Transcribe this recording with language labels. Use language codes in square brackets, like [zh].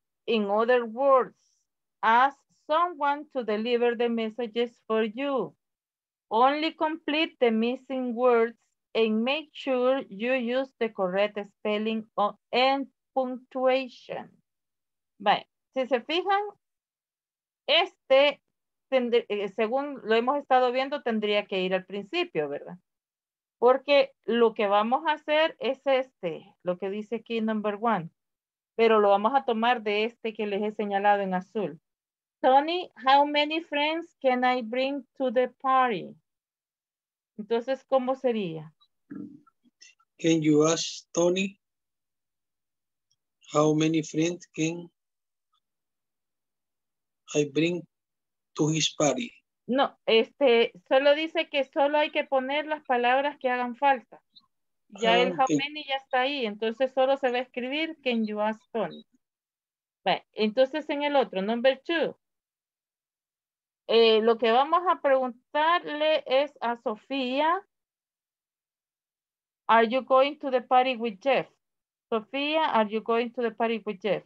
[en] In other words, ask someone to deliver the messages for you. Only complete the missing words and make sure you use the correct spelling and punctuation. Bye. [es] Si se fijan, este, según lo hemos estado viendo, tendría que ir al principio, ¿verdad? Porque lo que vamos a hacer es este, lo que dice aquí number one. Pero lo vamos a tomar de este que les he señalado en azul. [en] Tony, how many friends can I bring to the party? [es] Entonces, ¿cómo sería? [en] Can you ask Tony how many friends can I bring to his party? [es] No, solo dice que solo hay que poner las palabras que hagan falta. Ya el how many ya está ahí, entonces solo se va a escribir can you ask Tony. Bueno, entonces en el otro, number two. Lo que vamos a preguntarle es a Sofía. [en] Are you going to the party with Jeff? Sofía, are you going to the party with Jeff?